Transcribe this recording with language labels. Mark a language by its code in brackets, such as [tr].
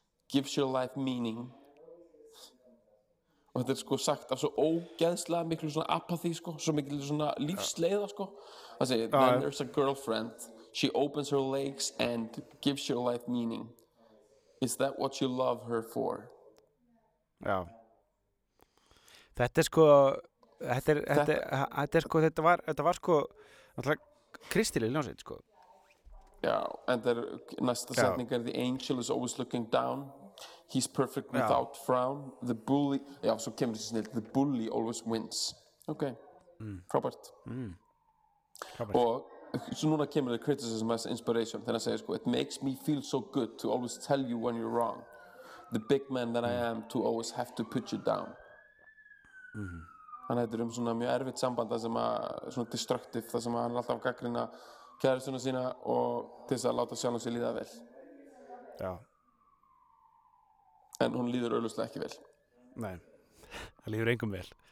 [en] Gives your life meaning [is] og þetta er sko sagt af svo ógeðslega miklu svona apathy sko, svo miklu svona lífsleiða sko það segi, [en] then there's a girlfriend she opens her legs and gives your life meaning is that what you love her for? [is] Já. Þetta er sko þetta er sko þetta var sko náttúrulega kristileg hljómsveit sko. [en] Já, and the [is] næsta setning er [en] the angel is always looking down. He's perfect without frown. The bully, [is] já, svo kemur þessi snill, [en] the bully always wins. Okay. Robert. [is] Og svo núna kemur [en] the criticism as inspiration. [is] Þannig að segja sko, [en] it makes me feel so good to always tell you when you're wrong. The big man that I am to always have to put you down. [is] Hann heitir svona mjög erfitt samband það sem að, svona destructive það sem að hann er alltaf gagnrýna kærastuna sína og til þess að láta sjálfum sér líða vel já en hún líður auðlauslega ekki vel nei, hann líður engum vel